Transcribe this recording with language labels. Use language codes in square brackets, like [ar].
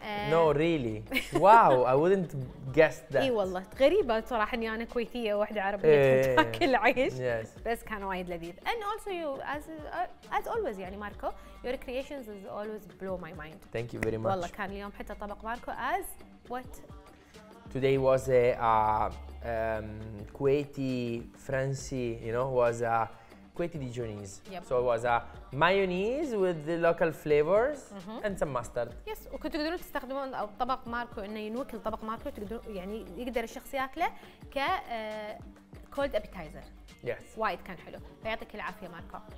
[en] No really. Wow. I wouldn't guess that. [ar] إي والله غريبة صراحة إني أنا كويتية واحدة عربية تأكل عيش. [en] Yes. [ar] بس كان وايد لذيذ. [en] And also you as always [ar] يعني ماركو. [en] Your creations is always blow my mind. Thank you very much. [ar] والله كان اليوم حتى طبق ماركو [en] as what? Today was a Kuwaiti Fransi, you know, was a Kuwaiti Dijonese. Yep. So it was a mayonnaise with the local flavors and some mustard. Yes. [ar] وكنتوا تقدرون تستخدمون أو طبق ماركو إنه ينوكل طبق ماركو تقدرون يعني يقدر الشخص يأكله ك [en] cold appetizer. Yes. [ar] وايد كان حلو. فيعطيك العافية ماركو.